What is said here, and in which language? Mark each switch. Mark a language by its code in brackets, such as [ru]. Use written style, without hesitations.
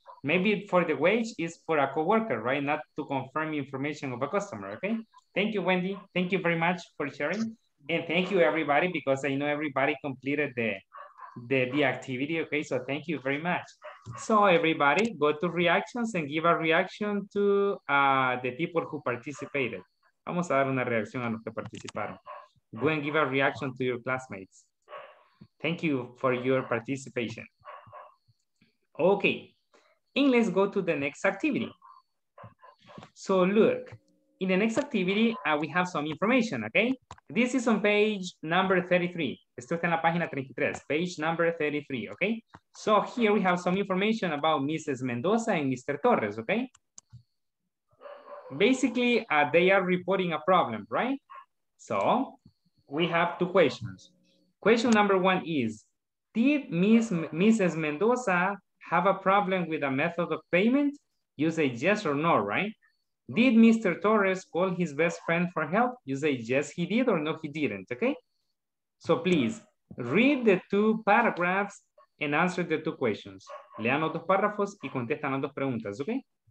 [en] Maybe for the wage is for a coworker, right? Not to confirm information of a customer, okay? Thank you, Wendy. Thank you very much for sharing. And thank you everybody, because I know everybody completed the activity, okay? So thank you very much. So everybody go to reactions and give a reaction to the people who participated. [es] Vamos a dar una reacción a los que participaron. [en] Go and give a reaction to your classmates. Thank you for your participation. Okay, and let's go to the next activity. So look, in the next activity, we have some information, okay? This is on page number 33. [es] Esto está en la página 33, [en] page number 33, okay? So here we have some information about Mrs. Mendoza and Mr. Torres, okay? Basically, they are reporting a problem, right? So we have two questions. Question number one is, did Mrs. Mendoza have a problem with a method of payment? You say yes or no, right? Did Mr. Torres call his best friend for help? You say, yes, he did, or no, he didn't, okay? So please, read the two paragraphs and answer the two questions. [es] Lean los dos párrafos y contestan las dos preguntas, okay?